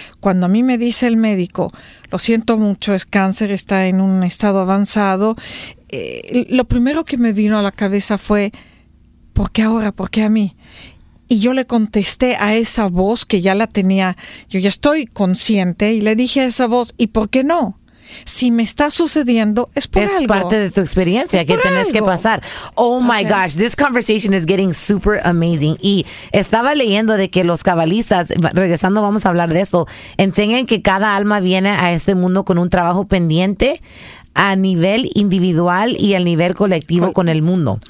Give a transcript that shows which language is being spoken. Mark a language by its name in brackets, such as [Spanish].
[Spanish] Cuando a mí me dice el médico, lo siento mucho, es cáncer, está en un estado avanzado, lo primero que me vino a la cabeza fue, ¿por qué ahora? ¿Por qué a mí? Y yo le contesté a esa voz que ya la tenía, yo ya estoy consciente, y le dije a esa voz, ¿y por qué no? Si me está sucediendo, es por es algo. Es parte de tu experiencia que tenés que pasar. [English] Oh my gosh, this conversation is getting super amazing. [Spanish] Y estaba leyendo de que los cabalistas, regresando vamos a hablar de esto, enseñan que cada alma viene a este mundo con un trabajo pendiente a nivel individual y a nivel colectivo con el mundo.